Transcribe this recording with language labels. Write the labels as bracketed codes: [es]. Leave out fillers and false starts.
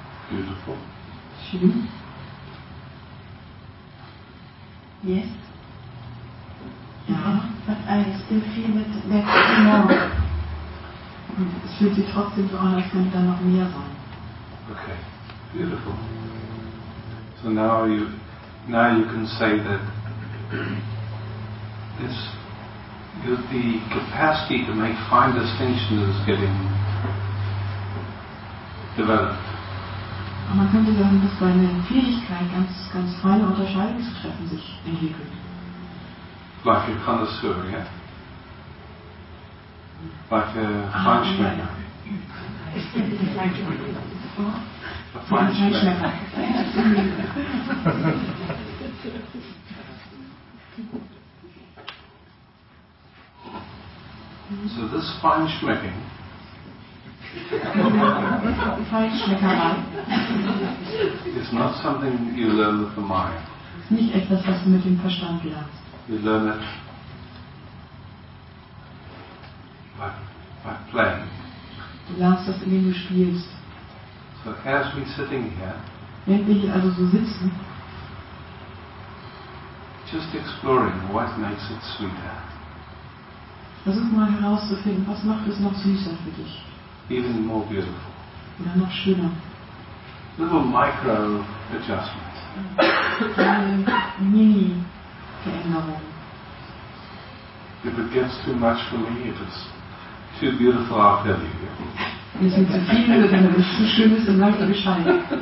[en] Beautiful. [de] Schön. [en] Yes. But I still feel that there's more. [de] Und es fühlt sich trotzdem so an, als könnte da noch mehr sein. [en] Okay. Beautiful. So now you can say that this the capacity to make fine distinctions is getting developed. [de] Man könnte sagen, dass deine Fähigkeit, ganz feine Unterscheidungen zu treffen, sich entwickelt. [en] Like a connoisseur, yeah? Like a [de] Feinschmecker. [en] So this feinschmecking. [de] Feinschmeckerei. [en] Is not something you learn with the mind. [de] Nicht etwas, was du mit dem Verstand lernst. [en] You learn it by playing. [de] Du lernst das, indem du spielst. [en] So as we sitting here. [de] Wenn wir hier also so sitzen. [en] Just exploring what makes it sweeter. [de] Versuch mal herauszufinden, was macht es noch süßer für dich. [en] Even more beautiful. [de] Oder noch schöner. [en] Little micro adjustment. [de] Mini. [en] If it gets too much for me, if it's too beautiful, I'll tell you. [de] Wir sind zu viel, wenn es zu schön ist, dann möchte ich bescheiden.